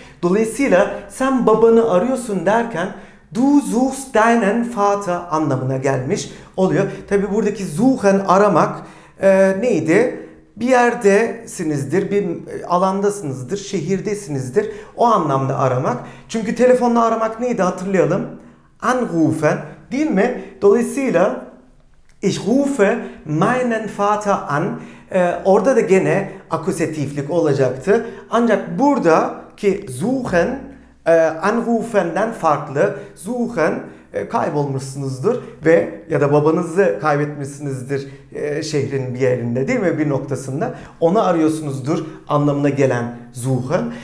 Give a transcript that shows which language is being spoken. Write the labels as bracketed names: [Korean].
[Turkish] Dolayısıyla sen babanı arıyorsun derken [German] Du suchst deinen Vater [Turkish] anlamına gelmiş oluyor. Tabi buradaki suchen aramak neydi? Bir yerdesinizdir, bir alandasınızdır, şehirdesinizdir. O anlamda aramak. Çünkü telefonla aramak neydi hatırlayalım? Anrufen değil mi? Dolayısıyla [German] ich rufe meinen Vater an. [Turkish] Orada da gene akusatiflik olacaktı. Ancak buradaki suchen anrufenden farklı suchen kaybolmuşsunuzdur ve ya da babanızı kaybetmişsinizdir şehrin bir yerinde değil mi bir noktasında onu arıyorsunuzdur anlamına gelen suchen.